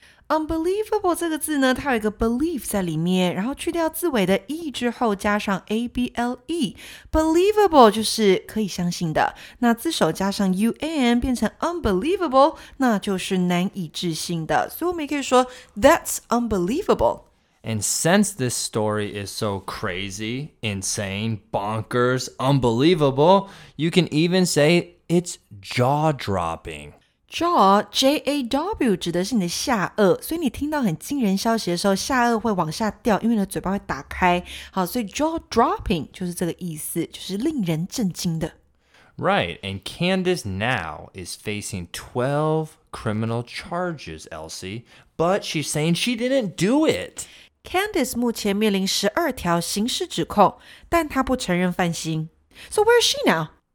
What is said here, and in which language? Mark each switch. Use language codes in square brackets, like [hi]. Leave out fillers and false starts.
[zh] Unbelievable 这个字呢，它有一个 believe 在里面，然后去掉字尾的 e 之后加上 able， believable 就是可以相信的，那字首加上 un 变成 unbelievable， 那就是难以置信的，所以我们也可以说 [en] that's unbelievable。 And since this story is so crazy, insane, bonkers, unbelievable, you can even say it's jaw-dropping. [zh] Jaw, J-A-W, 指的是你的下颚，所以你听到很惊人消息的时候，下颚会往下掉，因为你的嘴巴会打开。好，所以 jaw-dropping 就是这个意思，就是令人震惊的。 [en] Right, and Candice now is facing 12 criminal charges, Elsie, but she's saying she didn't do it. [zh] Candice 目前面临12条刑事指控，但她不承认犯行。 [en] So where is she now?